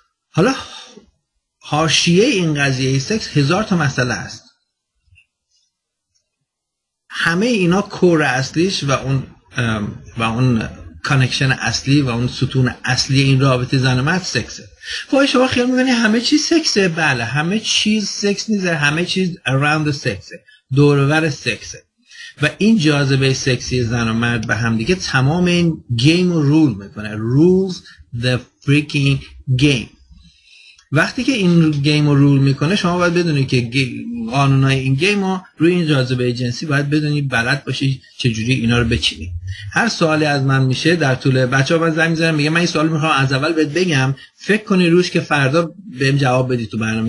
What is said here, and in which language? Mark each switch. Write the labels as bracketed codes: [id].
[fa] حالا حاشیه این قضیه سکس هزار تا مسئله است، همه اینا کور اصلیش و اون کانکشن اصلی و اون ستون اصلی این رابطه زن و مرد سکسه. وای شما خیال میکنی همه چیز سکسه؟ بله همه چیز سکس نیست، همه چیز [en] around the [fa] سکسه، دورور سکسه، و این جاذبه سکسی زن و مرد به هم دیگه تمام این گیم رو رول میکنه. [en] rules the freaking game. [fa] وقتی که این گیم رو رول میکنه، شما باید بدونی که قانونای این گیم رو روی این جاذبه جنسی باید بدونی، بلد باشی چجوری اینا رو بچینی. هر سوالی از من میشه در طول بچه ها باید زنگ میزنم میگم من این سوال میخوام از اول بهت بگم، فکر کنی روش که فردا بهم جواب بدی تو برنامه.